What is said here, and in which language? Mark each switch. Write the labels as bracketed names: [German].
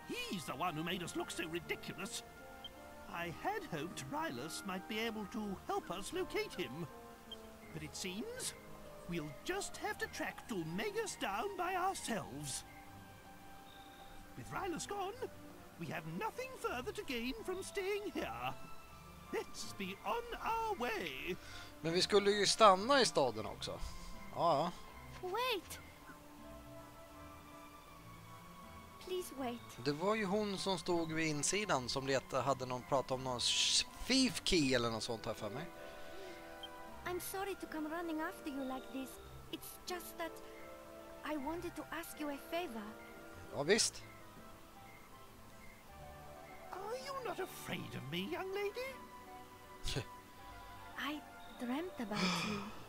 [English] He's the one who made us look so ridiculous. I had hoped Rylus might be able to help us locate him. But it seems we'll just have to track Dulmagus down by ourselves. With Rylus gone, we have nothing further to gain from staying here. Let's be on our way! [Swedish] Men vi skulle ju stanna i staden också. Ja. [English] Wait! Please wait. [Swedish] Det var ju hon som stod vid insidan som hade någon prat om någon thief key eller något sånt här för mig. [English] I'm sorry to come running after you like this. It's just that I wanted to ask you a favor. [Swedish] Ja visst. [English] Are you not afraid of me, young lady? I dreamt about you.